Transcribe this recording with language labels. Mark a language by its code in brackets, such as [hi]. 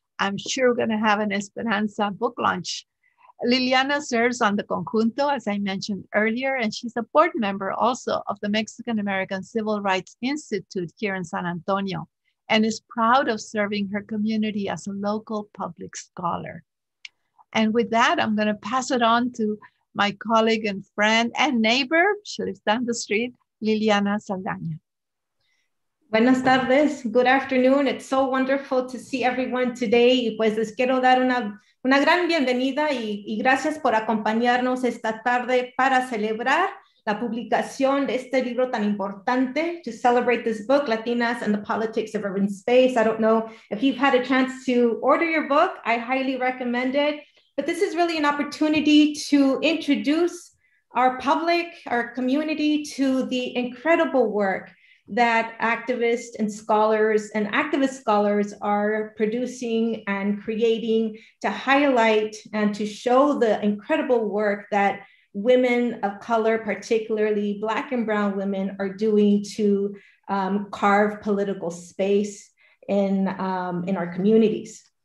[en] I'm sure we're going to have an Esperanza book launch. Liliana serves on the Conjunto, as I mentioned earlier, and she's a board member also of the Mexican American Civil Rights Institute here in San Antonio, and is proud of serving her community as a local public scholar. And with that, I'm going to pass it on to my colleague and friend and neighbor, she lives down the street, Liliana Saldana. [es] Buenas tardes. [en] Good afternoon. It's so wonderful to see everyone today. [es] Y pues les quiero dar una gran bienvenida y gracias por acompañarnos esta tarde para celebrar la publicación de este libro tan importante, [en] to celebrate this book, Latinas and the Politics of Urban Space. I don't know if you've had a chance to order your book. I highly recommend it. But this is really an opportunity to introduce our public, our community, to the incredible work that activists and scholars and activist scholars are producing and creating to highlight and to show the incredible work that women of color, particularly Black and Brown women, are doing to carve political space in our communities.